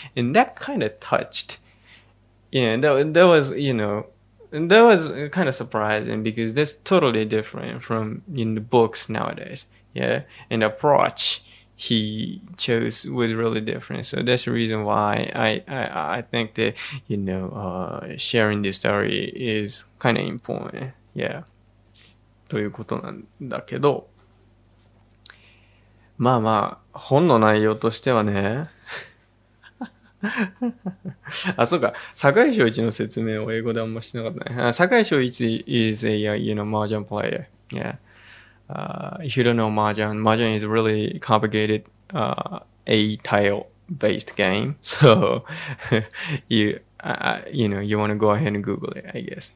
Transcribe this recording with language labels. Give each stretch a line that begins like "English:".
English: And that kind of touched, you know, that was, you know, and that was kind of surprising because that's totally different from in the books nowadays. Yeah. And the approach he chose was really different. So that's the reason why I think that, you know, sharing this story is kind of important. Yeah.
Japanese: ということなんだけど。まあまあ、本の内容としてはね。あ、そうか。堺正一の説明を英語であんましてなかったね。
English: 堺正一 is a, you know, mahjong player. Yeah. If you don't know mahjong, mahjong is a really complicated, a tile-based game. So, you want to go ahead and Google it, I guess.